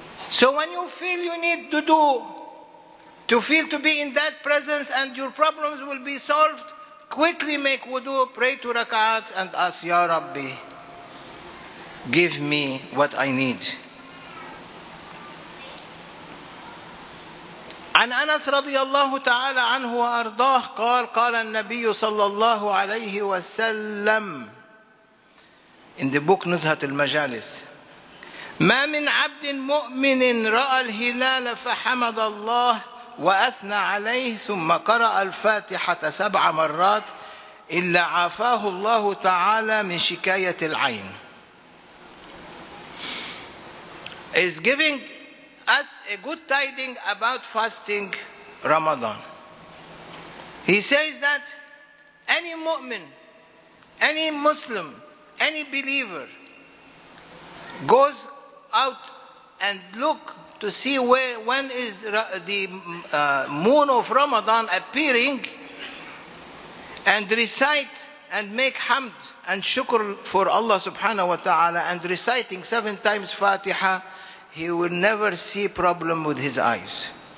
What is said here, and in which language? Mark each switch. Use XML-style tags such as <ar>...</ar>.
<en>So when you feel you need to do, to feel to be in that presence and your problems will be solved, quickly make wudu, pray to rak'at and ask, Ya Rabbi, give me what I need.</en> <ar>عن أنس رضي الله تعالى عنه وأرضاه قال قال النبي صلى الله عليه وسلم</ar> <en>in the book</en> <ar>نزهة المجالس ما من عبد مؤمن رأى الهلال فحمد الله وأثنى عليه ثم قرأ الفاتحة سبع مرات إلا عافاه الله تعالى من شكاية العين.</ar> <en>Is giving us a good tidings about fasting Ramadan. He says that any mu'min, any Muslim, any believer goes out and look to see where, when is the moon of Ramadan appearing, and recite and make hamd and shukr for Allah subhanahu wa ta'ala, and reciting seven times Fatiha, he will never see problem with his eyes.</en>